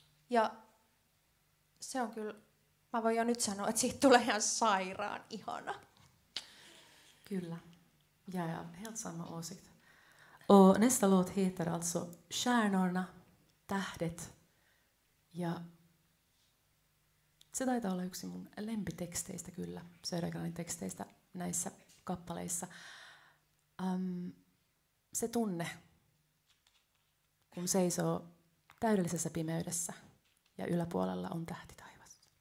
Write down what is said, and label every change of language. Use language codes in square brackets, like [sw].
[fi] Ja se on kyllä, mä voin jo nyt sanoa, että siitä tulee ihan sairaan ihana. Kyllä. [sv] Ja helt samma åsikt. Nästa låt heter alltså Stjärnorna, [fi] tähdet. Ja se taitaa olla yksi mun lempiteksteistä kyllä, Södergranin teksteistä näissä kappaleissa. Se tunne, kun seisoo täydellisessä pimeydessä ja yläpuolella on tähti taivassa.